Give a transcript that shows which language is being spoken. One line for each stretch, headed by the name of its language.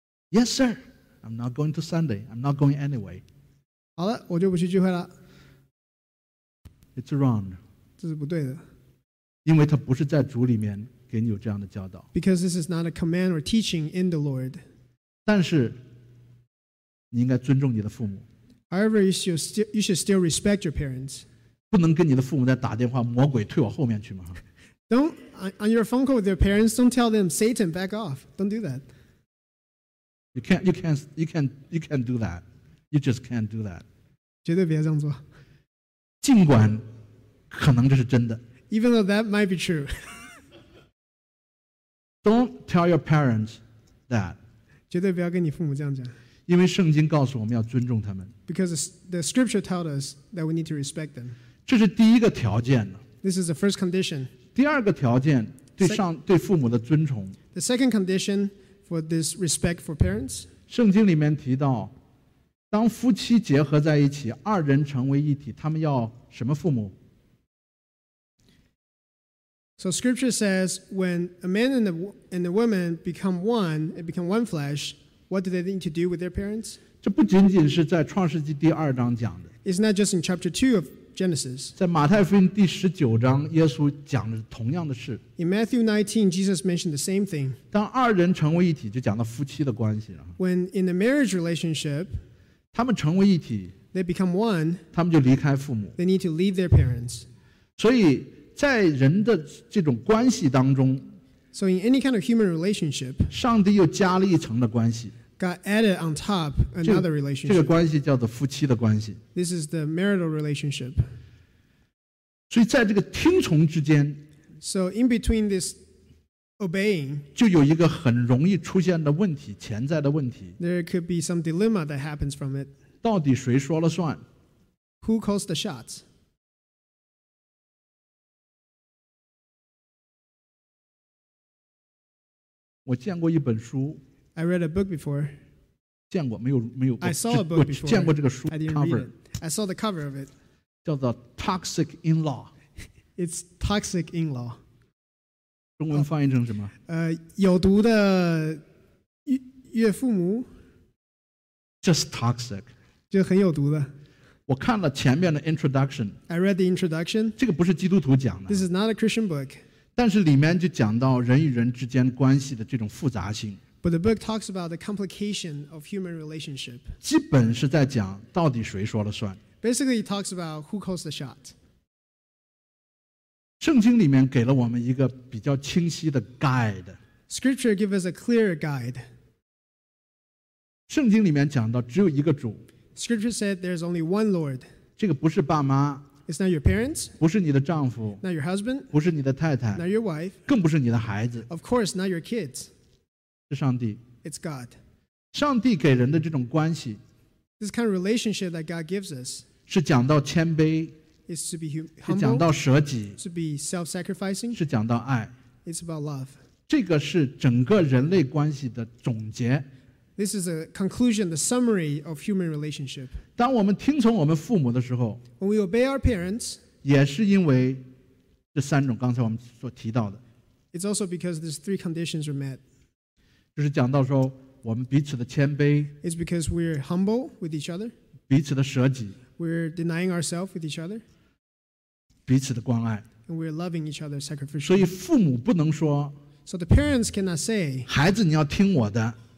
English: Yes, sir. I'm not going to Sunday. I'm not going anyway.
Chinese: 好了，我就不去聚会了。
English: It's wrong.
Chinese: 这是不对的。因为他不是在主里面。给你有这样的教导。
English: Because this is not a command or teaching in the Lord.
Chinese: 但是你应该尊重你的父母。
English: However, you should still respect your parents.
Chinese: 不能跟你的父母在打电话，魔鬼退我后面去吗？
English: Don't on your phone call with your parents. Don't tell them Satan back off. Don't do that. You can't do that. You just can't do that.
Chinese: 绝对别这样做。尽管可能这是真的。
English: Even though that might be true. Don't tell your parents that.
Chinese: 绝对不要跟你父母这样讲。因为圣经告诉我们要尊重他们。
English: Because the scripture tells us that we need to respect them.
Chinese: 这是第一个条件。
English: This is the first condition.
Chinese: 第二个条件对父母的尊重。
English: The second condition for this respect for parents.
Chinese: 圣经里面提到, 当夫妻结合在一起，二人成为一体，他们要什么父母？
English: So scripture says, when a man and a woman become one, they become one flesh, what do they need to do with their parents?
Chinese: 这不仅仅是在创世纪第二章讲的。
English: It's not just in chapter 2 of Genesis.
Chinese: 在马太福音第十九章，耶稣讲的同样的事。
English: In Matthew 19, Jesus mentioned the same thing.
Chinese: 当二人成为一体，就讲到夫妻的关系了。
English: When in a marriage relationship,
Chinese: 他们成为一体
English: they become one,
Chinese: 他们就离开父母
English: they need to leave their parents.
Chinese: 所以在人的这种关系当中
English: So in any kind of human relationship
Chinese: 上帝又加了一层的关系
English: God added on top another relationship
Chinese: 这个关系叫做夫妻的关系
English: This is the marital relationship.
Chinese: 所以在这个听从之间
English: So in between this obeying
Chinese: 就有一个很容易出现的问题潜在的问题
English: there could be some dilemma that happens from it
Chinese: 到底谁说了算
English: who calls the shots
Chinese: 我见过一本书
English: I read a book before
Chinese: 见过没有没有
English: I saw a book before
Chinese: 见过这个书
English: I didn't cover. Read it I saw the cover of it
Chinese: 叫做 Toxic In-Law
English: It's Toxic In-Law
Chinese: 中文翻译成什么？有毒的岳父母
English: ，just toxic，
Chinese: 就很有毒的。我看了前面的 introduction，
English: I read the introduction，
Chinese: 这个不是基督徒讲的
English: ，this is not a Christian book，
Chinese: 但是里面就讲到人与人之间关系的这种复杂性。
English: But the book talks about the complication of human relationship，
Chinese: 基本是在讲到底谁说了算。
English: Basically, it talks about who calls the shot。
Chinese: 圣经里面给了我们一个比较清晰的 guide
English: Scripture gives us a clear guide
Chinese: 圣经里面讲到只有一个主
English: Scripture said there's only one Lord
Chinese: 这个不是爸妈
English: It's not your parents
Chinese: 不是你的丈夫
English: Not your husband
Chinese: 不是你的太太
English: Not your wife
Chinese: 更不是你的孩子
English: Of course not your kids
Chinese: 是上帝
English: It's God
Chinese: 上帝给人的这种关系
English: This kind of relationship that God gives us
Chinese: 是讲到谦卑
English: Is to be humble,
Chinese: 是讲到舍己
English: to be self-sacrificing,
Chinese: 是讲到爱
English: It's about love
Chinese: 这个是整个人类关系的总结
English: This is a conclusion, the summary of human relationship
Chinese: 当我们听从我们父母的时候
English: When we obey our parents
Chinese: 也是因为这三种刚才我们所提到的
English: It's also because these three conditions are met
Chinese: 就是讲到说我们彼此的谦卑
English: It's because we're humble with each other
Chinese: 彼此的舍己
English: We're denying ourselves with each other.
Chinese: 彼此的关爱
English: And we're loving each other sacrificially.
Chinese: 所以父母不能说
English: So the parents cannot say
Chinese: 孩子你要听我的